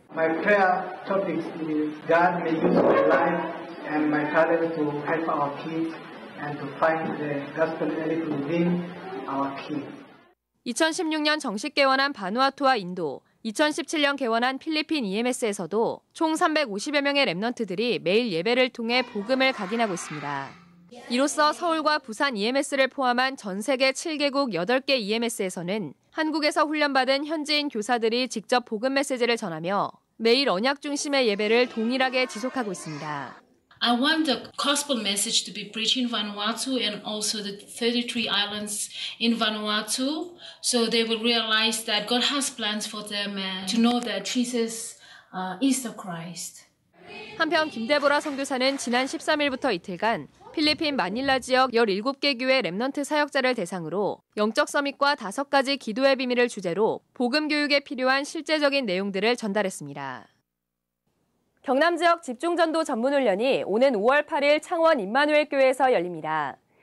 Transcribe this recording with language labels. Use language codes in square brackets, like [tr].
[en] My prayer topic is God may use my life and my talent to help our kids and to find the gospel element within our kids. [ko] 2016년 정식 개원한 바누아투와 인도, 2017년 개원한 필리핀 EMS에서도 총 350여 명의 렘넌트들이 매일 예배를 통해 복음을 각인하고 있습니다. 이로써 서울과 부산 EMS를 포함한 전 세계 7개국 8개 EMS에서는 한국에서 훈련받은 현지인 교사들이 직접 복음 메시지를 전하며 매일 언약 중심의 예배를 동일하게 지속하고 있습니다. [en] I want the gospel message to be preached in Vanuatu and also the 33 islands in Vanuatu so they will realize that God has plans for them and to know that Jesus is the Christ. [ko] 한편 김대보라 선교사는 지난 13일부터 이틀간 필리핀 마닐라 지역 17개 교회 렘넌트 사역자를 대상으로 영적 서밋과 다섯 가지 기도의 비밀을 주제로 복음 교육에 필요한 실제적인 내용들을 전달했습니다. 경남 지역 집중전도 전문훈련이 오는 5월 8일 창원 임마누엘 교회에서 열립니다.